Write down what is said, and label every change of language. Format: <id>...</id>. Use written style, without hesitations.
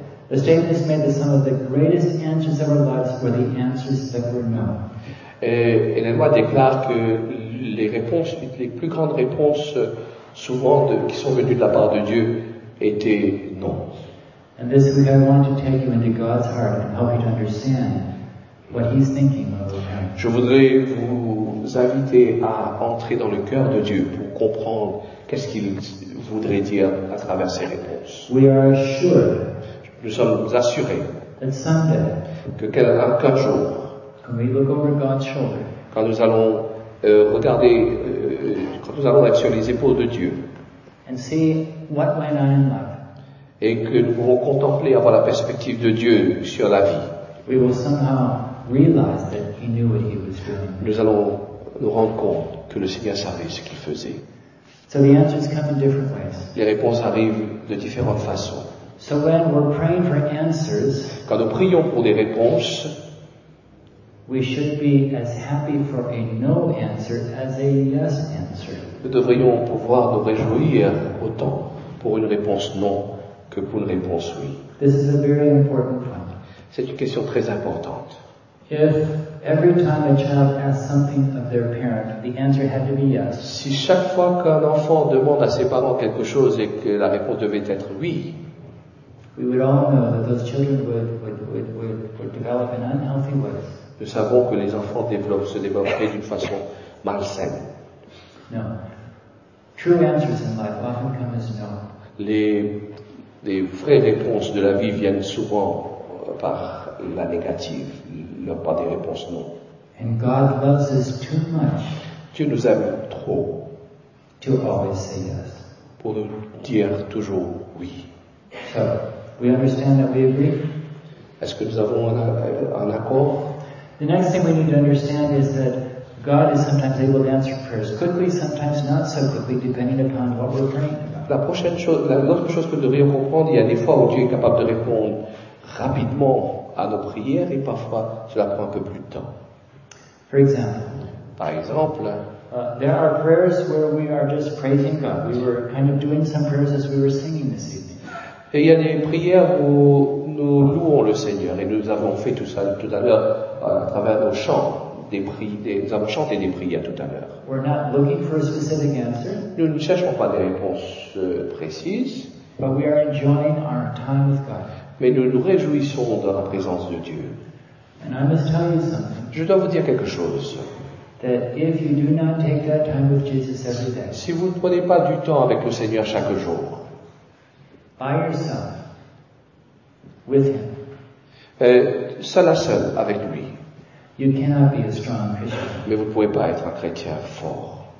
<en>the statement is made that some of the greatest answers of our lives were the answers that were no.</en> <fr>Et la loi déclare que les réponses, les plus grandes réponses, souvent qui sont venues de la part de Dieu, étaient non.</fr> <en>And this week I want to take you into God's heart and help you to understand what He's thinking of.</en> <fr>Je voudrais vous inviter à entrer dans le cœur de Dieu pour comprendre qu'est-ce qu'il voudrait dire à travers ces réponses.</fr> <en>We are assured.</en> <fr>Nous sommes assurés</fr> <en>that someday,</en> <fr>que quelqu'un jour,</fr> <en>when we look over God's shoulder,</en> <fr>quand nous allons regarder, quand nous allons être sur les épaules de Dieu,</fr> <en>and see what went on in life,</en> <fr>et que nous pouvons contempler, avoir la perspective de Dieu sur la vie,</fr> <en>we will somehow realize that He knew what He was doing.</en> <fr>Nous allons nous rendre compte que le Seigneur savait ce qu'il faisait.</fr> <en>So the answers come in different ways.</en> <fr>Les réponses arrivent de différentes façons.</fr> <en>So when we're praying for answers,</en> <fr>quand nous prions pour des réponses,</fr> <en>we should be as happy for a no answer as a yes answer.</en> <fr>Nous devrions pouvoir nous réjouir autant pour une réponse non que pour une réponse oui.</fr> <en>This is a very important point.</en> <fr>C'est une question très importante.</fr> <en>If every time a child asks something of their parent, the answer had to be yes.</en> <fr>Si chaque fois qu'un enfant demande à ses parents quelque chose et que la réponse devait être oui,</fr> <en>we would all know that those children would develop in unhealthy ways.</en> <fr>Nous savons que les enfants se développeraient d'une façon malsaine.</fr> <en>No. True answers in life often come as no.</en> <fr>Les vraies réponses de la vie viennent souvent par la négative, non pas des réponses non.</fr> <en>And God loves us too much.</en> <fr>Dieu nous aime trop.</fr> <en>To always say yes.</en> <fr>Pour nous dire toujours oui.</fr> <en>So, we understand that we agree.</en> <fr>Est-ce que nous avons un accord?</fr> <en>The next thing we need to understand is that God is sometimes able to answer prayers quickly, sometimes not so quickly, depending upon what we're praying about.</en> <fr>L'autre chose que nous devrions comprendre, il y a des fois où Dieu est capable de répondre rapidement à nos prières et parfois cela prend un peu plus de temps.</fr> <en>For example,</en> <fr>par exemple,</fr> <en>there are prayers where we are just praising God. We were kind of doing some prayers as we were singing this evening.</en> <fr>Et il y a des prières où nous louons le Seigneur et nous avons fait tout ça tout à l'heure à travers nos chants. Nous avons chanté des prières tout à l'heure.</fr> <en>We're not looking for a specific answer.</en> <fr>Nous ne cherchons pas des réponses précises.</fr> <en>But we are enjoying our time with God.</en> <fr>Mais nous nous réjouissons dans la présence de Dieu.</fr> <en>And I must tell you something.</en> <fr>Je dois vous dire quelque chose.</fr> <en>That if you do not take that time with Jesus every day,</en> <fr>si vous ne prenez pas du temps avec le Seigneur chaque jour,</fr> <en>by yourself, with him,</en> <fr>seul à seul avec lui,</fr> <en>you cannot be a strong Christian.</en> <fr>Mais vous ne pouvez pas être un chrétien fort.</fr>